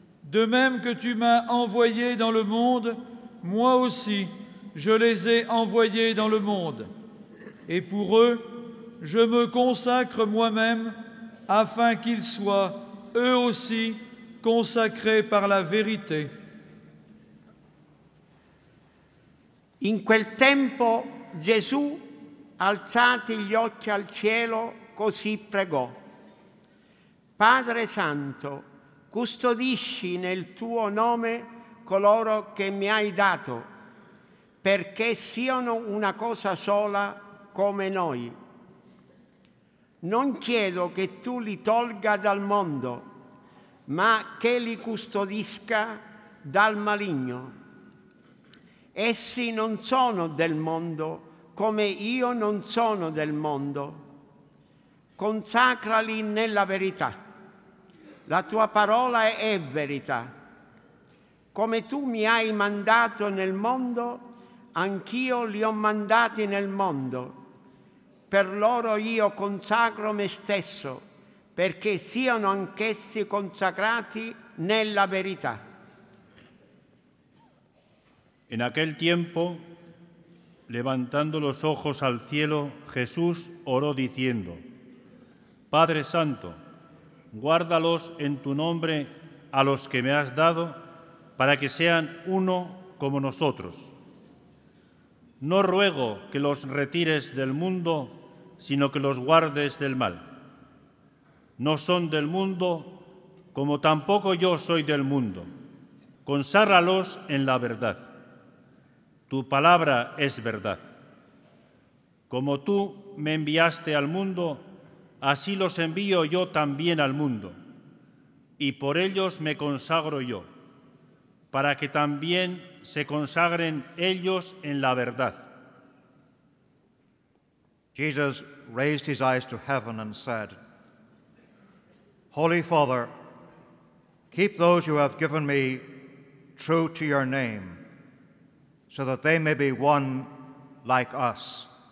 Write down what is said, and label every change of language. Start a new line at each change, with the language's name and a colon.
French: De même que tu m'as envoyé dans le monde, moi aussi, je les ai envoyés dans le monde. Et pour eux, je me consacre moi-même, afin qu'ils soient, eux aussi, consacrés par la vérité.
Italian: In quel tempo, Gesù, alzati gli occhi al cielo, così pregò. Padre Santo, custodisci nel tuo nome coloro che mi hai dato, perché siano una cosa sola come noi. Non chiedo che tu li tolga dal mondo, ma che li custodisca dal maligno. Essi non sono del mondo, come io non sono del mondo. Consacrali nella verità. La tua parola è verità. Come tu mi hai mandato nel mondo, anch'io li ho mandati nel mondo. Per loro io consacro me stesso, perché siano anch'essi consacrati nella verità.
Spanish: In aquel tiempo, levantando los ojos al cielo, Jesús oró diciendo: Padre Santo, guárdalos en tu nombre a los que me has dado para que sean uno como nosotros. No ruego que los retires del mundo, sino que los guardes del mal. No son del mundo, como tampoco yo soy del mundo. Conságralos en la verdad. Tu palabra es verdad. Como tú me enviaste al mundo, así los envío yo también al mundo, y por ellos me consagro yo, para que también se consagren ellos en la verdad.
English: Jesus raised his eyes to heaven and said, Holy Father, keep those you have given me true to your name, so that they may be one like us.